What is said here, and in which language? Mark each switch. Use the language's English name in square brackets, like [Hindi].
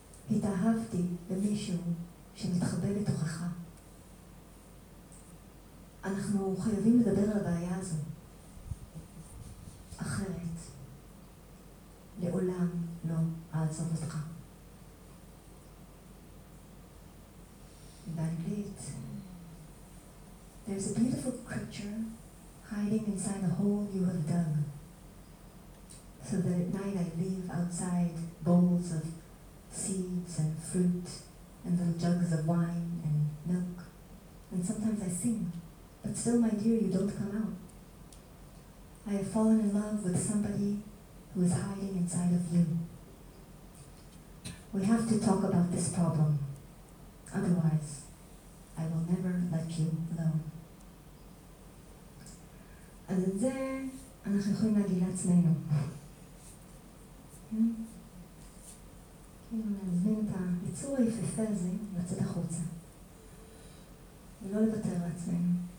[Hebrew] התאהבתי במישהו שמתחבא בתוכך. אנחנו חייבים לדבר על הבעיה הזו. אחרת, לעולם לא אעזוב אותך. באנגלית, [English] There's a beautiful creature hiding inside the hole you have dug. So that at night I leave outside bowls of seeds and fruit and little jugs of wine and milk. And sometimes I sing, but still, my dear, you don't come out. I have fallen in love with somebody who is hiding inside of you. We have to talk about this problem. Otherwise, I will never let you alone. [Hebrew] אז את זה אנחנו יכולים להגיד לעצמנו. כאילו להזמין את היצור היפהפה הזה לצאת החוצה ולא לוותר לעצמנו.